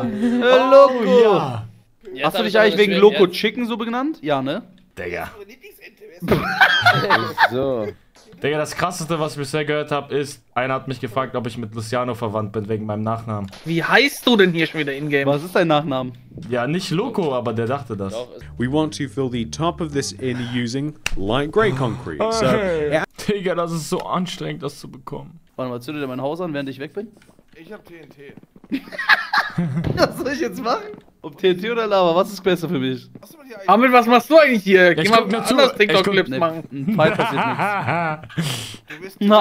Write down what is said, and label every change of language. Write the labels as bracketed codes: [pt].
[de] Hallo, ja! Hast du dich eigentlich wegen Loco Chicken so benannt? Ja, ne? Digga. So. Digga, das krasseste, was ich bisher gehört habe, ist, einer hat mich gefragt, ob ich mit Luciano verwandt bin, wegen meinem Nachnamen. Wie heißt du denn hier schon wieder in-game? Was ist dein Nachnamen? Ja, nicht Loco, aber der dachte das. [en] We want to fill the top of this in using light gray concrete. So, yeah. [de] Digga, das ist so anstrengend, das zu bekommen. Warte mal, zündet ihr mein Haus an, während ich weg bin? Ich hab TNT. Was soll ich jetzt machen? Ob TNT oder Lava, was ist besser für mich? Amit, was machst du eigentlich hier? Geh ich mal mit zu. Anders TikTok-Clips machen. Ein Pfeil passiert nichts.